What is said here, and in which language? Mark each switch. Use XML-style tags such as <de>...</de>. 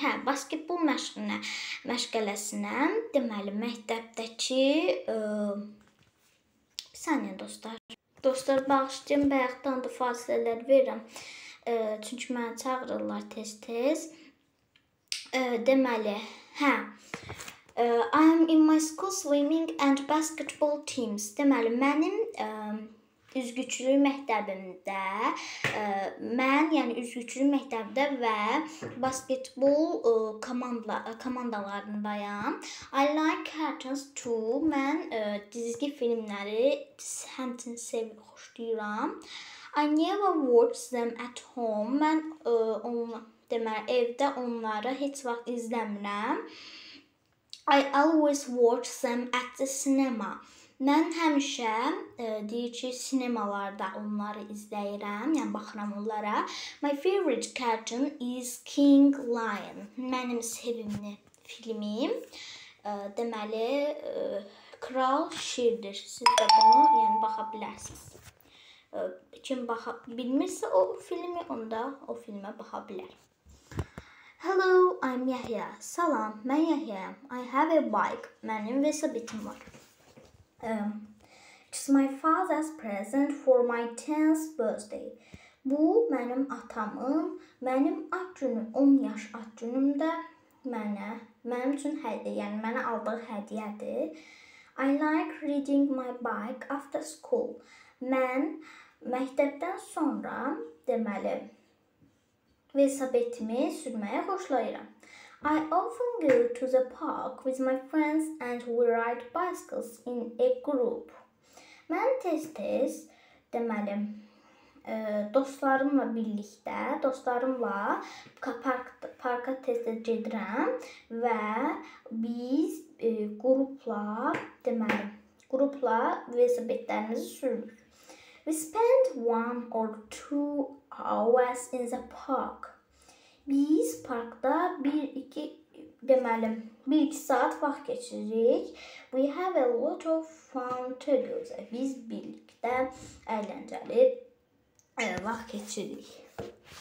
<az>Hə, basketbol məşqələsinə, deməli, məktəbdəki... Bir saniyə, dostlar. Dostlar, bağışlayın, bayaqdan da fasilələr verirəm. Çünki mənə çağırırlar tez-tez. Deməli, hə...</az> <en>I am in my school swimming and basketball teams.</en> <az>Deməli, mənim üzgüçülük məktəbimdə, mən, yəni üzgüçülük məktəbdə və basketbol komandalarındayam.</az> <en>I like cartoons too.</en> <az>Mən dizgi filmləri həmçin sevir, xoşlayıram.</az> <en>I never watch them at home.</en> <az>Mən evdə onları heç vaxt izləmirəm.</az> <en>I always watch them at the cinema.</en> <az>Mən həmişə, deyir ki, sinemalarda onları izləyirəm, yəni baxıram onlara.</az> <en>My favorite cartoon is King Lion.</en> <az>Mənim sevimli filmim, deməli, Kral Şirdir. Siz də bunu, yəni, baxa bilərsiniz. Kim baxa bilmirsə o filmi, onda o filmə baxa bilər.</az> <en>Hello, I'm Yahya.</en> <az>Salam, mən Yahya'yam.</az> <en>I have a bike.</en> <az>Mənim vesabitim var.</az> <en>It's my father's present for my 10th birthday.</en> <az>Bu mənim atamın, mənim ad günüm, 10 yaş ad günümdə mənim üçün hədiyə, yəni mənə aldığı hədiyədir.</az> <en>I like riding my bike after school.</en> <az>Mən məktəbdən sonra, deməli, velosipedimi sürməyə xoşlayıram.</az> <en>I often go to the park with my friends and we ride bicycles in a group.</en> <az>Mən tez-tez, deməli, dostlarımla birlikdə, dostlarımla parka tez-tez gedirəm və biz qrupla velosipedlərimizi sürürük.</az> <en>We spend one or two hours in the park.</en> <az>Biz parkda 1-2 deməli 1-2 saat vaxt keçiririk.</az> <en>We have a lot of fun together.</en> <az>Biz birlikdə əyləncəli vaxt keçiririk.</az>